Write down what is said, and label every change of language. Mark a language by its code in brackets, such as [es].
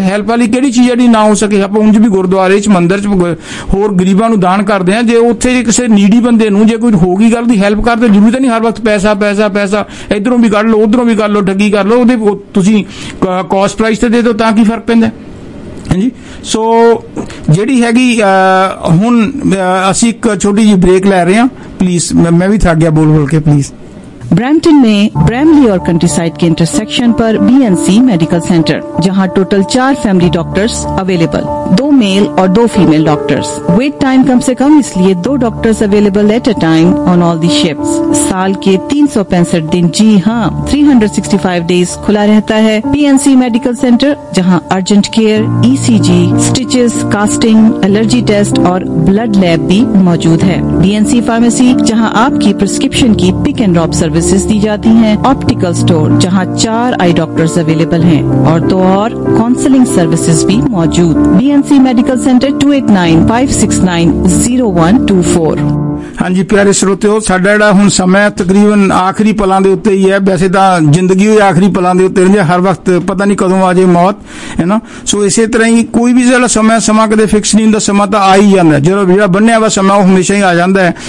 [pa] Help ਵਾਲੀ ਕਿਹੜੀ ਚੀਜ਼ ਜਿਹੜੀ ਨਾ ਹੋ ਸਕੇ, ਆਪਾਂ ਉਂਝ ਵੀ ਗੁਰਦੁਆਰੇ 'ਚ ਮੰਦਰ 'ਚ ਹੋਰ ਗਰੀਬਾਂ ਨੂੰ ਦਾਨ ਕਰਦੇ ਹਾਂ, ਜੇ ਉੱਥੇ ਜੇ ਕਿਸੇ ਨੀਡੀ ਬੰਦੇ ਨੂੰ ਜੇ ਕੋਈ ਹੋ ਗਈ ਗੱਲ ਦੀ ਹੈਲਪ ਕਰਦੇ, ਜ਼ਰੂਰੀ ਤਾਂ ਨਹੀਂ ਹਰ ਵਕਤ ਪੈਸਾ ਪੈਸਾ ਪੈਸਾ, ਇੱਧਰੋਂ ਵੀ ਕੱਢ ਲਓ, ਉੱਧਰੋਂ ਵੀ ਕਰ ਲਓ, ਠੱਗੀ ਕਰ ਲਓ, ਉਹਦੇ ਤੁਸੀਂ ਕੋਸਟ ਪ੍ਰਾਈਸ 'ਤੇ ਦੇ ਦਿਓ ਤਾਂ ਕੀ ਫਰਕ ਪੈਂਦਾ। ਹਾਂਜੀ, ਸੋ ਜਿਹੜੀ ਹੈਗੀ ਹੁਣ ਅਸੀਂ ਇੱਕ ਛੋਟੀ ਜਿਹੀ ਬ੍ਰੇਕ ਲੈ ਰਹੇ ਹਾਂ, ਪਲੀਜ਼ ਮੈਂ ਵੀ ਥੱਕ ਗਿਆ ਬੋਲ ਬੋਲ ਕੇ, ਪਲੀਜ਼। [hi] ब्रैम्पटन में ब्रैमली और कंट्रीसाइड के इंटरसेक्शन पर BNC मेडिकल सेंटर, जहां total 4 family doctors available, 2 mail और 2 फीमेल डॉक्टर्स, वेट टाइम कम से कम, इसलिए 2 doctors available [en] At a time on all the shifts. [hi] साल के 365 दिन, जी हां, 365 डेज खुला रहता है BNC मेडिकल सेंटर, जहां urgent care, ECG, stitches, casting, allergy test और ब्लड लैब भी मौजूद है। BNC फार्मेसी, जहां आपकी प्रिस्क्रिप्शन की पिक एंड ड्रॉप सर्विसेज दी जाती हैं, ऑप्टिकल स्टोर, जहां 4 आई डॉक्टर्स अवेलेबल हैं, और तो और काउंसलिंग सर्विसेज भी मौजूद। BNC medical centre, 289-569-0124। [pa] ਹਾਂਜੀ ਪਿਆਰੇ ਸਰੋਤਿਓ, ਸਾਡਾ ਜਿਹੜਾ ਹੁਣ ਸਮਾਂ ਤਕਰੀਬਨ ਆਖਰੀ ਪਲਾਂ ਦੇ ਉੱਤੇ ਹੀ ਹੈ, ਵੈਸੇ ਤਾਂ ਜ਼ਿੰਦਗੀ ਹੋਈ ਆਖਰੀ ਪਲਾਂ ਦੇ ਉੱਤੇ ਰਹਿੰਦੀ ਹੈ, ਹਰ ਵਕਤ ਪਤਾ ਨਹੀਂ ਕਦੋਂ ਆ ਜਾਏ ਮੌਤ, ਹੈ ਨਾ। ਸੋ ਇਸੇ ਤਰ੍ਹਾਂ ਹੀ ਕੋਈ ਵੀ ਜਿਹੜਾ ਸਮਾਂ ਕਦੇ ਫਿਕਸ ਨਹੀਂ ਹੁੰਦਾ, ਸਮਾਂ ਤਾਂ ਆ ਹੀ ਜਾਂਦਾ, ਜਦੋਂ ਜਿਹੜਾ ਬੰਨਿਆ ਵਾ ਸਮਾਂ ਉਹ ਹਮੇਸ਼ਾ ਹੀ ਆ ਜਾਂਦਾ ਹੈ।